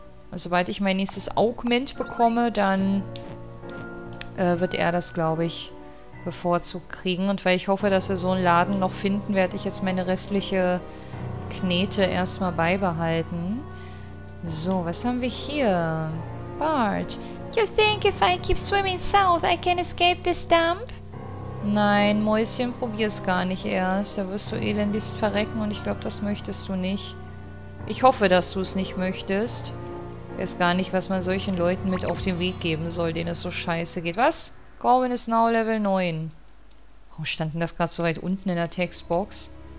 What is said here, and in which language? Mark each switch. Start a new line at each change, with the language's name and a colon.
German: Und sobald ich mein nächstes Augment bekomme, dann wird er das, glaube ich, bevorzugt kriegen. Und weil ich hoffe, dass wir so einen Laden noch finden, werde ich jetzt meine restliche Knete erstmal beibehalten. So, was haben wir hier? Bart.
English: You think if I keep swimming south, I can escape this dump?
German: Nein, Mäuschen, probier's gar nicht erst. Da wirst du elendigst verrecken und ich glaube, das möchtest du nicht. Ich hoffe, dass du es nicht möchtest. Weiß gar nicht, was man solchen Leuten mit auf den Weg geben soll, denen es so scheiße geht. Was? Corwin ist
English: now Level 9.
German: Warum stand denn das gerade so weit unten in der Textbox?